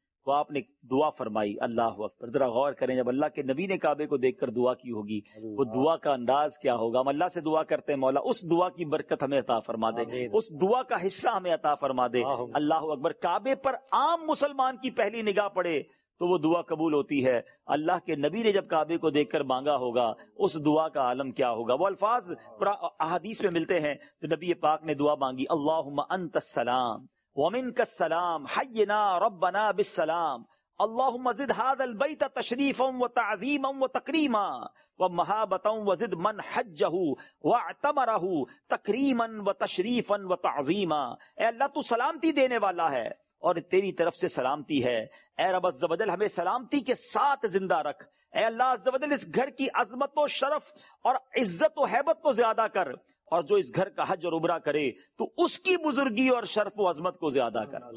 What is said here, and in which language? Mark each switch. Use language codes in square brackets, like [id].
[ur] تو آپ نے دعا فرمائی، اللہ اکبر۔ ذرا غور کریں، جب اللہ کے نبی نے کعبے کو دیکھ کر دعا کی ہوگی، وہ دعا کا انداز کیا ہوگا؟ ہم اللہ سے دعا کرتے ہیں، مولا اس دعا کی برکت ہمیں عطا فرما دے، اس دعا کا حصہ ہمیں عطا فرما دے۔ اللہ اکبر، کعبے پر عام مسلمان کی پہلی نگاہ پڑے تو وہ دعا قبول ہوتی ہے. اللہ کے نبی نے جب کعبے کو دیکھ کر مانگا ہوگا اس دعا کا عالم کیا ہوگا. وہ الفاظ احادیث میں ملتے ہیں تو نبی پاک نے دعا مانگی [ar] اللہم انت السلام ومنک السلام حینا ربنا بالسلام اللهم زد هذا البيت تشريفا وتعظيما وتكريما ومهابتا وزد من حجه واعتمره تكريما وتشريفا وتعظيما. [ur] اے اللہ تو سلامتی دینے والا ہے اور تیری طرف سے سلامتی ہے. اے رب عز و جل ہمیں سلامتی کے ساتھ زندہ رکھ. اے اللہ عز و جل اس گھر کی عظمت و شرف اور عزت و حیبت کو زیادہ کر, اور جو اس گھر کا حج اور عمرہ کرے تو اس کی بزرگی اور شرف و عظمت کو زیادہ کر.